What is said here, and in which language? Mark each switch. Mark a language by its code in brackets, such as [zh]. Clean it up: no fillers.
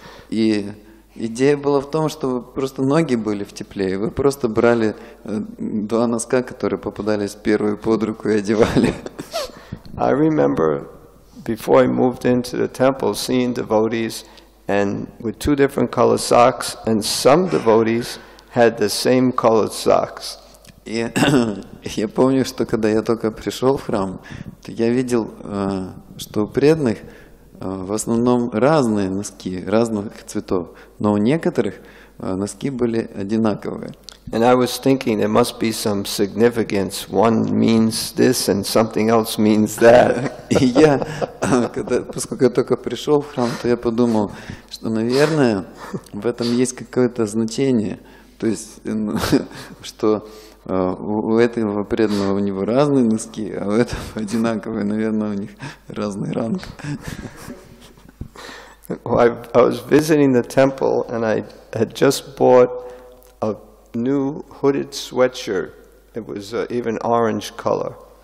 [ru] И идея была в том, что просто ноги были в тепле, и вы просто брали два носка, которые попадались в первую под руку, и одевали. [en] I remember before I moved into the temple seeing devotees and with two different color socks, and some devotees had the same colored socks. [ru] И я помню, что когда я только пришел в храм, то я видел, что у преданных в основном разные носки, разных цветов, но у некоторых носки были одинаковые. [en] And I was thinking there must be some significance. One means this and something else means that. [ru] Я, когда, поскольку я только пришел в храм, то я подумал, что, наверное, в этом есть какое-то значение. То есть, что у этого преданного у него разные носки, а у этого одинаковые, наверное, у них разный ранг. [en] I was visiting the temple and I had just bought a new hooded sweatshirt. It was even orange color.